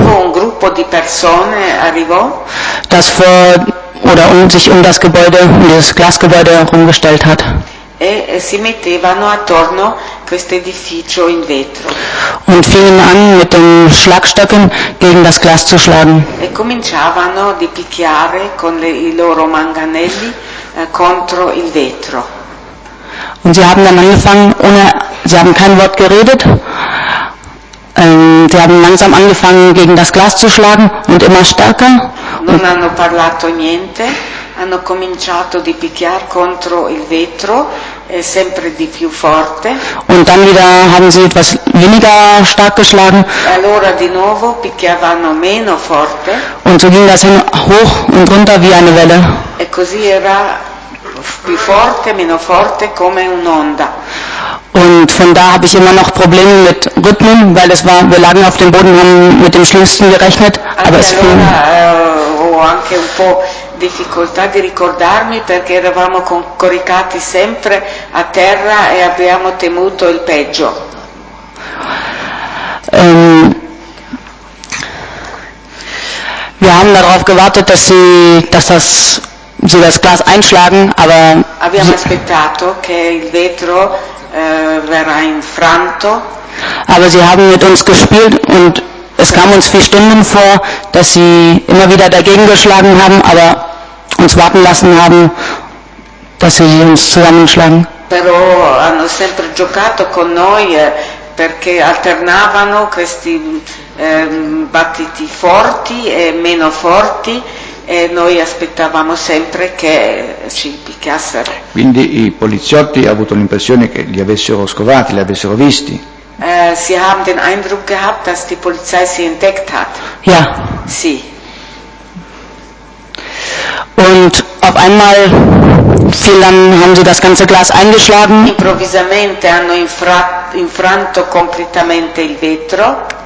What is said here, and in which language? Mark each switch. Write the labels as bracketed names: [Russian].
[Italian] Un gruppo di persone arrivò. [German] Das vor oder um sich um das Gebäude, um dieses Glasgebäude herumgestellt hat. [Italian] E si mettevano attorno questo edificio in vetro. [German] Und fingen an mit den Schlagstöcken gegen das Glas zu schlagen. [Italian] E cominciavano di picchiare con i loro manganelli contro il vetro. [German] Und sie haben dann angefangen, ohne, sie haben kein Wort geredet. Sie haben langsam angefangen, gegen das Glas zu schlagen und immer stärker. [Italian] Non hanno parlato niente. Hanno cominciato di picchiare contro il vetro sempre di più forte. [German] Und dann wieder haben sie etwas weniger stark geschlagen. [Italian] Allora di nuovo picchiavano meno forte. [German] Und so ging das hoch und runter wie eine Welle. [Italian] E così era più forte, meno forte come un'onda. [German] Und von da habe ich immer noch Probleme mit Rhythmen, weil es war, wir lagen auf dem Boden, haben mit dem Schlimmsten gerechnet, aber es fiel. [Italian] Ho anche un po' difficoltà di ricordarmi perché eravamo coricati sempre a terra e abbiamo temuto il peggio. [German] Wir haben darauf gewartet, dass sie, dass das so das Glas einschlagen, aber [Italian] abbiamo aspettato che il vetro verrà infranto. [German] Aber sie haben mit uns gespielt und es kam uns vier Stunden vor, dass sie immer wieder dagegen geschlagen haben, aber uns warten lassen haben, dass sie uns zusammenschlagen. [Italian] Però hanno sempre giocato con noi perché alternavano questi battiti forti e meno forti, e noi aspettavamo sempre che ci picchiassero. Quindi i poliziotti hanno avuto l'impressione che li avessero scovati, li avessero visti. [German] Sie haben den Eindruck gehabt, dass die Polizei sie entdeckt hat. Ja. Sie. Und auf einmal fiel dann, haben sie das ganze Glas eingeschlagen. [Italian] Improvvisamente hanno infranto completamente il vetro.